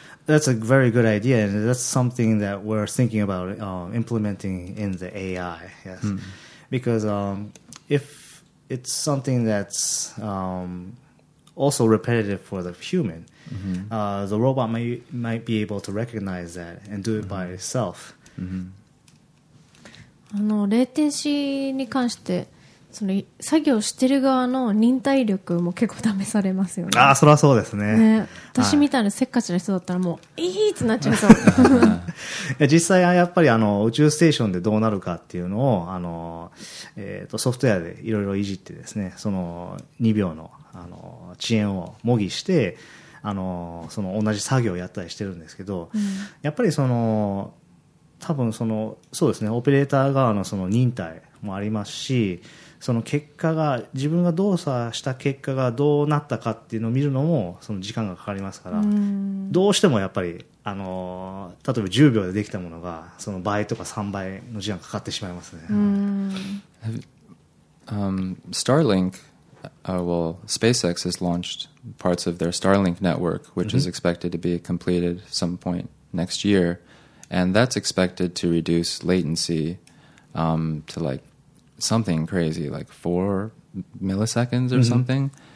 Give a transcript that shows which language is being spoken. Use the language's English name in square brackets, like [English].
[English] That's a very good idea, and that's something that we're thinking about implementing in the AI, yes. Mm-hmm. Because if it's something that's also repetitive for the human, mm-hmm. The robot might be able to recognize that and do it mm-hmm. by itself. Mm-hmm. [Japanese] レイテンシーに関して、その作業してる側の忍耐力も結構試されますよね。ああ、そりゃそうですね。ね、私みたいなせっかちな人だったらもう、はい、いいってなっちゃいそう。実際はやっぱり宇宙ステーションでどうなるかっていうのをソフトウェアでいろいろいじってですね、その2秒の遅延を模擬してその同じ作業をやったりしてるんですけど、うん、やっぱりその多分そのそうですね、オペレーター側のその忍耐もありますし、その結果が自分が動作した結果がどうなったかっていうのを見るのもその時間がかかりますから、うん、どうしてもやっぱり例えば10秒でできたものがその倍とか3倍の時間かかってしまいますね。うん、 [English] Starlink, well, SpaceX has launched parts of their Starlink network, which is expected to be completed some point next year, and that's expected to reduce latency to like. Something crazy, like 4 milliseconds or mm-hmm. something.